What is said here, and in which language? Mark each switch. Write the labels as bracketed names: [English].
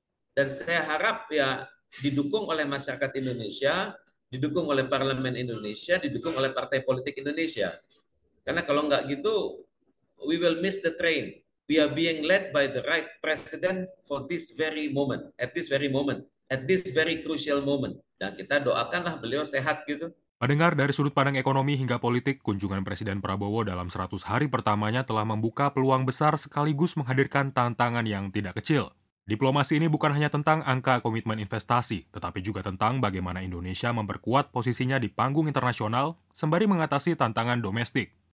[Indonesian] Dan saya harap ya didukung oleh masyarakat Indonesia, didukung oleh parlemen Indonesia, didukung oleh partai politik Indonesia. Karena kalau nggak gitu, [English] we will miss the train. We are being led by the right president for this very moment, at this very moment, at this very crucial moment. [Indonesian] Dan kita doakanlah beliau sehat gitu. Mendengar dari sudut pandang ekonomi hingga politik, kunjungan Presiden Prabowo dalam 100 hari pertamanya telah membuka peluang besar sekaligus menghadirkan tantangan yang tidak kecil. Diplomasi ini bukan hanya tentang angka komitmen investasi, tetapi juga tentang bagaimana Indonesia memperkuat posisinya di panggung internasional sembari mengatasi tantangan domestik.